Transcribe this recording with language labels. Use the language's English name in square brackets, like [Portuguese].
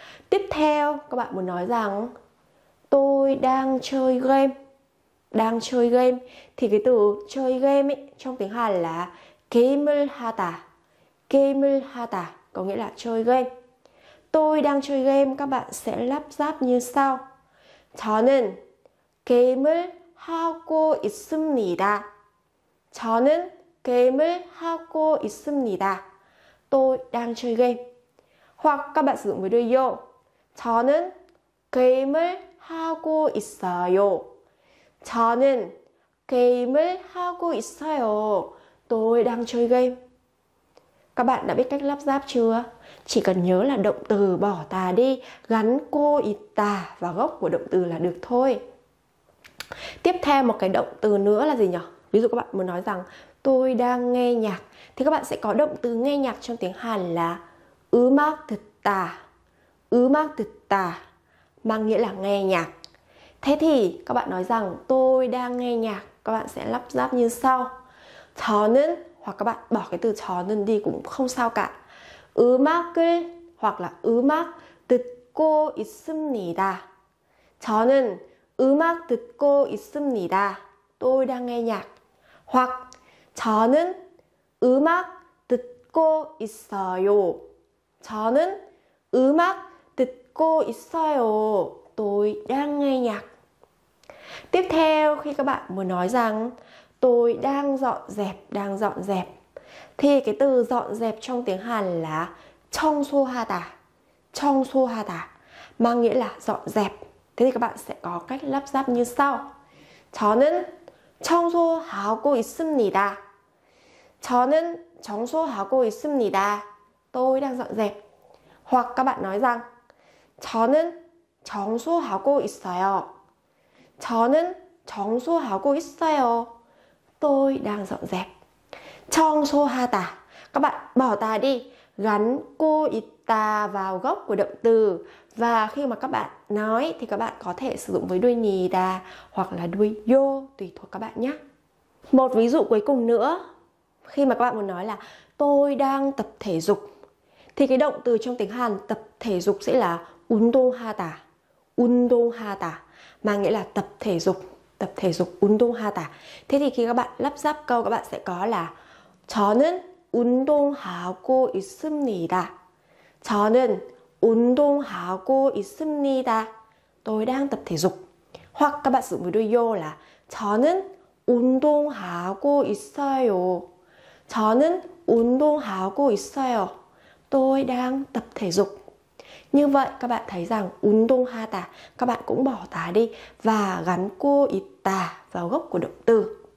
[Vietnamese] Tiếp theo, các bạn muốn nói rằng tôi đang chơi game. Đang chơi game thì cái từ chơi game ấy trong tiếng Hàn là [Korean] 게임을 하다. 게임을 하다 [Vietnamese] có nghĩa là chơi game. Tôi đang chơi game, các bạn sẽ lắp ráp như sau. [Korean] 저는 게임을 하고 있습니다. 저는 게임을 하고 있습니다. [Vietnamese] Tôi đang chơi game. Hoặc các bạn sử dụng với đôi yo. [Korean] 저는 게임을 하고 있어요. 저는 게임을 하고 있어요. [Vietnamese] Tôi đang chơi game. Các bạn đã biết cách lắp ráp chưa? Chỉ cần nhớ là động từ bỏ tà đi, gắn cô ý tà vào gốc của động từ là được thôi. Tiếp theo một cái động từ nữa là gì nhỉ? Ví dụ các bạn muốn nói rằng tôi đang nghe nhạc thì các bạn sẽ có động từ nghe nhạc trong tiếng Hàn là [Korean] 음악 듣다. 음악 듣다 [Vietnamese] mang nghĩa là nghe nhạc. Thế thì các bạn nói rằng tôi đang nghe nhạc, các bạn sẽ lắp ráp như sau. 저는 hoặc các bạn bỏ cái từ 저는 đi cũng không sao cả. [Korean] 음악을 [Vietnamese] hoặc là [Korean] 음악 듣고 있습니다. 저는 음악 듣고 있습니다. [Vietnamese] Tôi đang nghe nhạc. Hoặc [Korean] 저는 음악 듣고 있어요. 저는 음악 듣고 있어요. [Vietnamese] Tôi đang nghe nhạc. Tiếp theo khi các bạn muốn nói rằng tôi đang dọn dẹp thì cái từ dọn dẹp trong tiếng Hàn là 청소하다. 청소하다 mang nghĩa là dọn dẹp. Thế thì các bạn sẽ có cách lắp ráp như sau. [Korean] 저는 청소하고 있습니다. 저는 청소하고 있습니다. [Vietnamese] Tôi đang dọn dẹp. Hoặc các bạn nói rằng [Korean] 저는 청소하고 있어요. 저는 청소하고 있어요. [Vietnamese] Tôi đang dọn dẹp. [Korean] 청소하다. [Vietnamese] Các bạn bỏ tà đi, gắn cô ý tà vào gốc của động từ. Và khi mà các bạn nói thì các bạn có thể sử dụng với đuôi nì đà hoặc là đuôi yô tùy thuộc các bạn nhé. Một ví dụ cuối cùng nữa, khi mà các bạn muốn nói là tôi đang tập thể dục thì cái động từ trong tiếng Hàn tập thể dục sẽ là 운동하다. 운동하다 mà nghĩa là tập thể dục 운동하다. Thế thì khi các bạn lắp ráp câu các bạn sẽ có là [Korean] 저는 운동하고 있습니다. 저는 운동하고 있습니다. [Vietnamese] Tôi đang tập thể dục. Hoặc các bạn sử dụng với đuôi yo là [Korean] 저는 운동하고 있어요. [Vietnamese] 저는 운동하고 있어요. Tôi đang tập thể dục. Như vậy các bạn thấy rằng 운동하다 các bạn cũng bỏ tà đi và gắn cô ý tà vào gốc của động từ.